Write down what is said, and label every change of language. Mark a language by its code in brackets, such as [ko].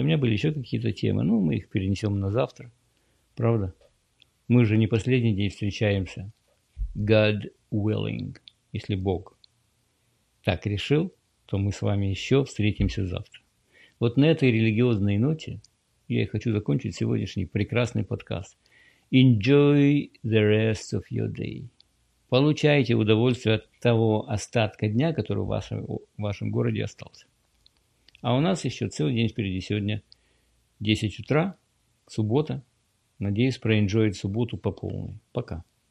[ru] У меня были еще какие-то темы, но мы их перенесем на завтра. Правда? Мы же не последний день встречаемся. [en] God willing. [ru] Если Бог так решил, то мы с вами еще встретимся завтра. Вот на этой религиозной ноте я и хочу закончить сегодняшний прекрасный подкаст. [en] Enjoy the rest of your day. [ru] Получайте удовольствие от того остатка дня, который в вашем городе остался. А у нас еще целый день впереди. Сегодня 10 утра, суббота. Надеюсь, проэнджоить субботу по полной. Пока.